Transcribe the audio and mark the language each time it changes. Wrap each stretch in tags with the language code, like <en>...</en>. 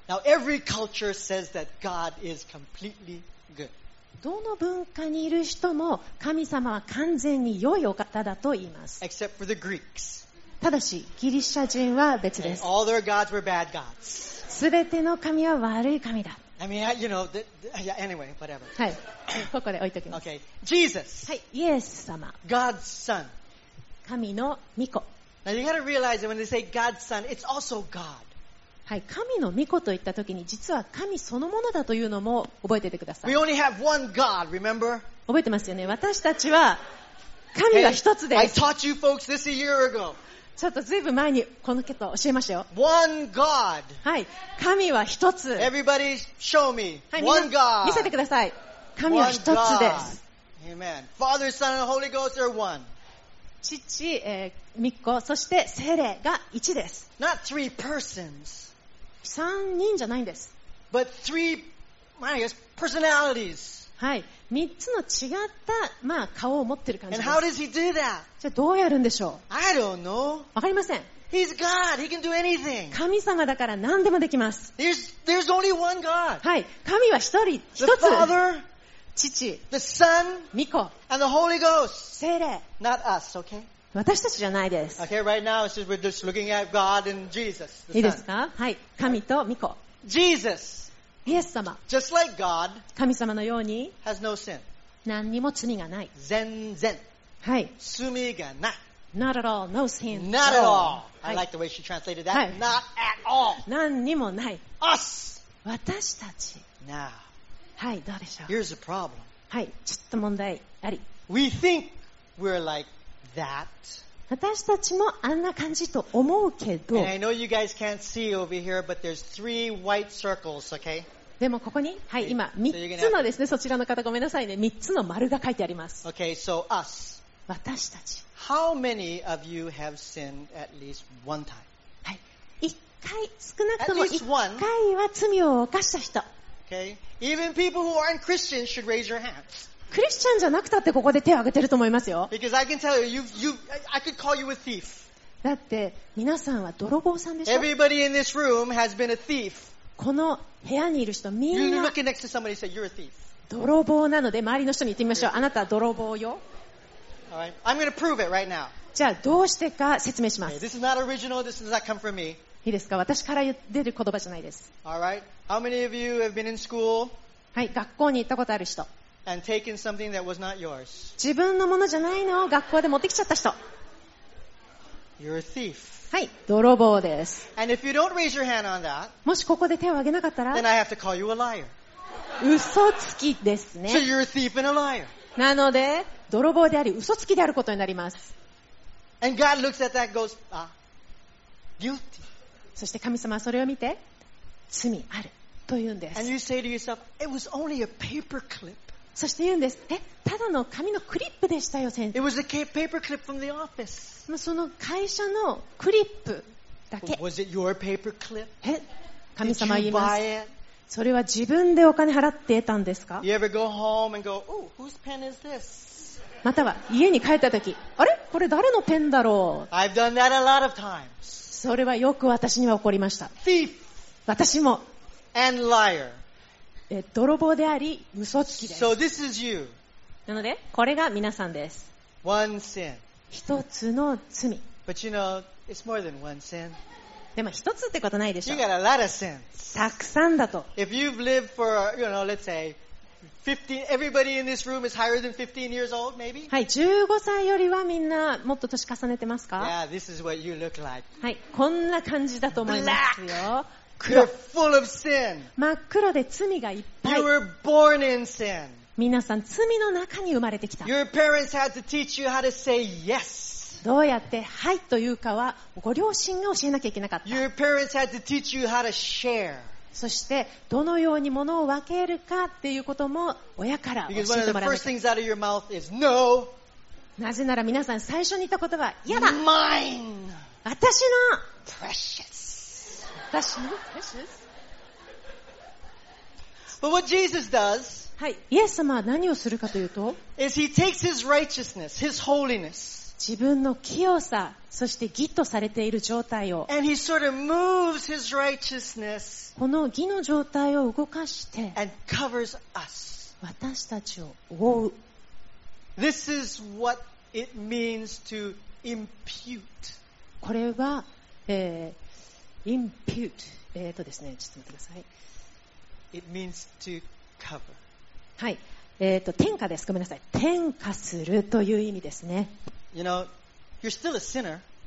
<en>Now every culture says that God is completely good.</en> <ja>どの文化にいる人も神様は完全に良いお方だと言います。</ja> <en>Except for the Greeks.</en> <ja>ただし、ギリシャ人は別です。</ja> <en>All their gods were bad gods.</en> <ja>全ての神は悪い神だ。</ja> <en>I mean, you know, yeah, anyway, whatever.</en> <ja>はい。ここで置いときます。</ja> <en>Okay. Jesus.</en> <ja>はい。イエス様。</ja> <en>God's Son.</en> <ja>神の御子。</ja> <en>Now you gotta realize that when they say God's Son, it's also God.</en> <ja>はい、神の御子と言ったときに実は神そのものだというのも覚えててください。</ja> <en>We only have one God, remember?</en> <ja>覚えてますよね。私たちは神が一つです。</ja> <en>Hey, I taught you folks this a year ago.</en> <ja>ちょっとずいぶん前にこのことを教えましたよ。</ja> <en>One God.</en> <ja>はい、神は一つ。</ja> <en>Everybody show me.</en> <ja>はい、</ja> <en>One God.</en> <ja>見せてください。神は一つです。</ja> <en>Amen. Father, Son, and Holy Ghost are one.</en> <ja>父、御子、そして聖霊が一です。</ja> <en>Not three persons.</en> <ja>三人じゃないんです。</ja> <en>But three, I guess, personalities.</en> <ja>はい。三つの違った、まあ、顔を持ってる感じです。</ja> <en>And how does he do that?</en> <ja>じゃあどうやるんでしょう?</ja> <en>I don't know.</en> <ja>わかりません。</ja> <en>He's God. He can do anything.</en> <ja>神様だから何でもできます。</ja> <en>There's only one God.</en> <ja>はい。神は一人、一つ。</ja> <en>The Father.</en> <ja>父、</ja> <en>the Son,</en> <ja>御子、</ja> <en>and the Holy Ghost.</en> <ja>聖霊、</ja> <en>not us, okay?</en> <ja>私たちじゃないです。</ja> <en>Okay, right now it's just we're just looking at God and Jesus. The</en> <ja>いいですか？はい、神と御子。</ja> <en>Jesus,</en> <ja>イエス様、</ja> <en>just like God,</en> <ja>神様のように、</ja> <en>has no sin.</en> <ja>何にも罪がない。全然、はい、罪がない。</ja> <en>Not at all, no sin. Not at all. I like the way she translated that.、</en> <ja>はい、</ja> <en>not at all.</en> <ja>何にもない。</ja> <en>Us,</en> <ja>私たち。</ja> <en>Now.</en> <ja>はい、どうでしょう?</ja> <en>Here's the problem.</en> <ja>はい、ちょっと問題あり。</ja> <en>We think we're like that.</en> <ja>私たちもあんな感じと思うけど。</ja> <en>And I know you guys can't see over here, but there's three white circles, okay?</en> <ja>でもここに、はい、今、三つのですね、そちらの方ごめんなさいね、三つの丸が書いてあります。</ja> <en>Okay, so us.</en> <ja>私たち。</ja> <en>How many of you have sinned at least one time?</en> <ja>はい、一回、少なくとも一回は罪を犯した人。</ja> <en>Okay. Even people who aren't Christians should raise your hands.</en> <ja>クリスチャンじゃなくたってここで手を挙げてると思いますよ。</ja> <en>Because I can tell you, I could call you a thief.</en> <ja>だって皆さんは泥棒さんでしょ。</ja> <en>Everybody in this room has been a thief.</en> <ja>この部屋にいる人みんな。</ja> <en>You look next to somebody and say you're a thief.</en> <ja>泥棒なので周りの人に言ってみましょう。あなたは泥棒よ。</ja> <en>All right. I'm going to prove it right now.</en> <ja>じゃあどうしてか説明します。</ja> <en>Okay. This is not original. This does not come from me.</en> <ja>いいですか私から出る言葉じゃないです。</ja> <en>All right. How many of you have been in school?</en> <ja>はい、学校に行ったことある人。</ja> <en>And taken something that was not yours.</en> <ja>自分のものじゃないのを学校で持ってきちゃった人。</ja> <en>You're a thief.</en> <ja>はい、泥棒です。</ja> <en>And if you don't raise your hand on that,</en> <ja>もしここで手を挙げなかったら、</ja> <en>then I have to call you a liar.</en> <ja>嘘つきですね。</ja> <en>So you're a thief and a liar.</en> <ja>なので、泥棒であり、嘘つきであることになります。</ja> <en>And God looks at that and goes, guilty.</en> <ja>そして神様はそれを見て罪あるというんです。</ja> <en>And you say to yourself, it was only a paper clip.</en> <ja>そして言うんです。え、ただの紙のクリップでしたよ先生。</ja> <en>It was a paper clip from the office.</en> <ja>その会社のクリップだけ。</ja> <en>Was it your paper clip?</en> <ja>え、神様は言います。</ja> <en>Did you buy it?</en> <ja>それは自分でお金払って得たんですか?</ja> <en>You ever go home and go, oh, whose pen is this?</en> <ja>または家に帰った時、あれ? これ誰のペンだろう?</ja> <en>I've done that a lot of times.</en> <ja>それはよく私には起こりました。</ja> <en>Thief.</en> <ja>私も。</ja> <en>And liar.</en> <ja>泥棒であり、嘘つきです。</ja> <en>So this is you.</en> <ja>なので、これが皆さんです。</ja> <en>One sin.</en> <ja>一つの罪。</ja> <en>But you know, it's more than one sin.</en> <ja>でも一つってことないでしょ。</ja> <en>You got a lot of sins.</en> <ja>たくさんだと。</ja> <en>If you've lived for, you know, let's say, 15, everybody in this room is higher than 15 years old, maybe?</en> <ja>はい、15歳よりはみんなもっと年重ねてますか?</ja> <en>Yeah, this is what you look like.</en> <ja>はい、こんな感じだと思いますよ。</ja> <en>Black! You're full of sin!</en> <ja>真っ黒で罪がいっぱい。</ja> <en>You were born in sin.</en> <ja>皆さん、罪の中に生まれてきた。</ja> <en>Your parents had to teach you how to say yes.</en> <ja>どうやってはいというかは、ご両親が教えなきゃいけなかった。</ja> <en>Your parents had to teach you how to share.</en> <ja>そしてどのようにものを分けるかっていうことも親から教えてもら</ja> <en>う。Because one of the first things out of your mouth is no.</en> <ja>なぜなら皆さん最初に言った言葉、嫌だ。Mine. 私の。</ja> <en>Precious.</en> <ja>私の。</ja> <en>Precious. But what Jesus does.</en> <ja>はい。イエス様は何をするかというと。</ja> <en>Is he takes his righteousness, his holiness.</en> <ja>自分の清さ、そして義とされている状態を。</ja> <en>And he sort of moves his righteousness.</en> <ja>この義の状態を動かして。</ja> <en>And covers us.</en> <ja>私たちを覆う。</ja> <en>This is what it means to impute.</en> <ja>これは、impute. ですね、ちょっと待ってください。</ja> <en>It means to cover.</en> <ja>はい。天下です。ごめんなさい。天下するという意味ですね。</ja> <en>You know, you're still a sinner.</en>